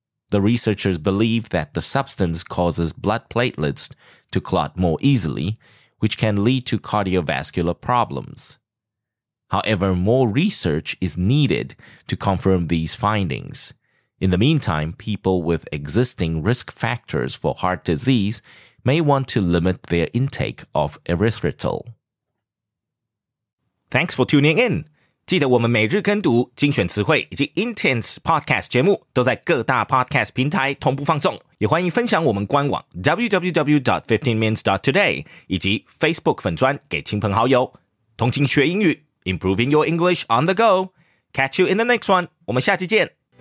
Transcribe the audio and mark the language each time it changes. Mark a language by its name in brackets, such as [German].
[English] The researchers believe that the substance causes blood platelets to clot more easily, which can lead to cardiovascular problems. However, more research is needed to confirm these findings. In the meantime, people with existing risk factors for heart disease may want to limit their intake of erythritol. Thanks for tuning in. [Chinese] 记得我们每日跟读精选词汇以及 Intense Podcast 节目都在各大 Podcast 平台同步放送。也欢迎分享我们官网 www.15mins.today 以及 Facebook 粉专给亲朋好友。同情学英语 [English] ,improving your English on the go. Catch you in the next one. [Chinese] 我们下期见。